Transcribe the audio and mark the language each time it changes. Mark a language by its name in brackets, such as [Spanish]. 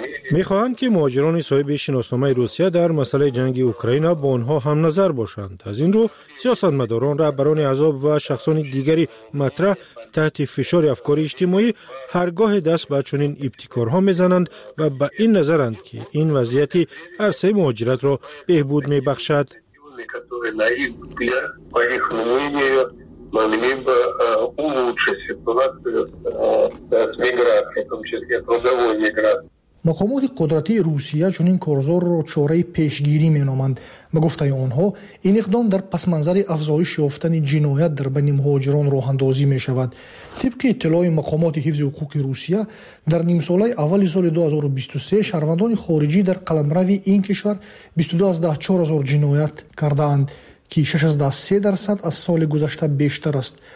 [Persian] می خواهند که مهاجران صاحب شناسنامه روسیه در مسئله جنگ اوکراین با آنها هم نظر باشند. از این رو سیاستمداران، رهبران احزاب و شخصان دیگری مطرح تحت فشار افکار اجتماعی هرگاه دست به چنین ابتکارها می زنند و به این نظرند که این وضعیت عرصه مهاجرت را بهبود می بخشد. [Russian] Которые на их взгляд, по их мнению, могли бы улучшить ситуацию с миграцией, в том числе трудовой миграцией. [Persian] مقامات قدرتی روسیه چنین کارزار را چاره پیشگیری می نامند. به گفته آنها این اقدام در پس منظر افزایش یافتن جنایت در بین مهاجران راه اندازی می شود. طبق اطلاع مقامات حفظ حقوق روسیه، در نیم سال اول سال 2023 شهروندان خارجی در قلمرو این کشور 22,400 جنایت کرده اند که 6.3% از سال گذشته بیشتر است.